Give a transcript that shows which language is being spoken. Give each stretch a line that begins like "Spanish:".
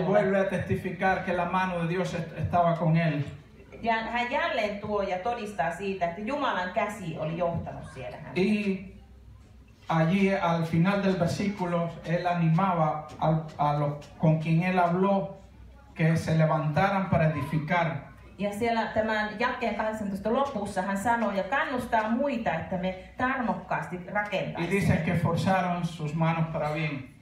Spanish: Él vuelve a testificar que la mano de Dios estaba con él.
Finnish: Ja hän jälleen tuo ja todistaa siitä, että Jumalan käsi oli johtanut siellä hän.
Spanish: Y allí al final del versículo él animaba a los con quien él habló que se levantaran para edificar.
Finnish: Ja siellä tämän jakeen 18 lopussa hän sanoi ja kannustaa muita, että me tarmokkaasti rakentaisimme.
Spanish: Y dice que forzaron sus manos para bien.